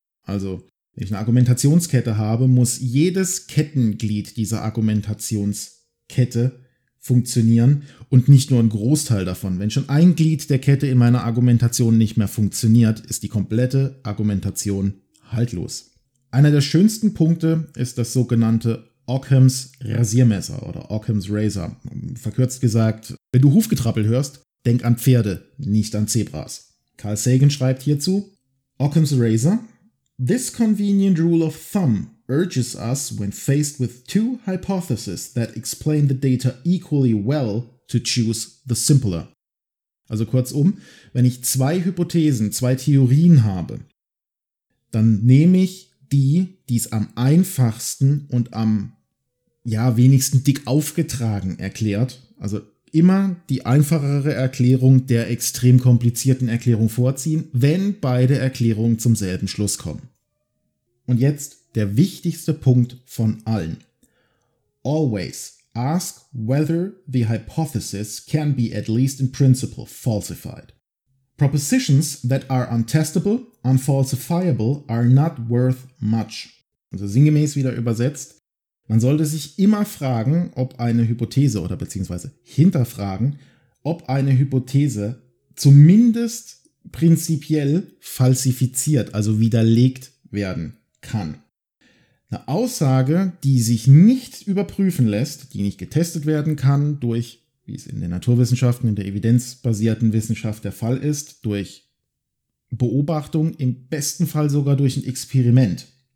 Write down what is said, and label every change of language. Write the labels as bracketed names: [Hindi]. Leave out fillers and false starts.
[German] Also, wenn ich eine Argumentationskette habe, muss jedes Kettenglied dieser Argumentationskette funktionieren und nicht nur ein Großteil davon. Wenn schon ein Glied der Kette in meiner Argumentation nicht mehr funktioniert, ist die komplette Argumentation haltlos. Einer der schönsten Punkte ist das sogenannte Occam's Rasiermesser oder Occam's Razor. Verkürzt gesagt, wenn du Hufgetrappel hörst, denk an Pferde, nicht an Zebras. Carl Sagan schreibt hierzu, Occam's Razor. [English] This convenient rule of thumb urges us, when faced with two hypotheses that explain the data equally well, to choose the simpler. [German] Also kurzum, wenn ich zwei Hypothesen, zwei Theorien habe, dann nehme ich die, die es am einfachsten und am wenigsten dick aufgetragen erklärt. Also immer die einfachere Erklärung der extrem komplizierten Erklärung vorziehen, wenn beide Erklärungen zum selben Schluss kommen. Und jetzt der wichtigste Punkt von allen. [English] Always ask whether the hypothesis can be at least in principle falsified. Propositions that are untestable, unfalsifiable are not worth much. [German] Also sinngemäß wieder übersetzt. Man sollte sich immer fragen, ob eine Hypothese oder beziehungsweise hinterfragen, ob eine Hypothese zumindest prinzipiell falsifiziert, also widerlegt werden kann. Eine Aussage, die sich nicht überprüfen lässt, die nicht getestet werden kann durch, wie es in den Naturwissenschaften, in der evidenzbasierten Wissenschaft der Fall ist, durch Beobachtung, im besten Fall sogar durch ein Experiment.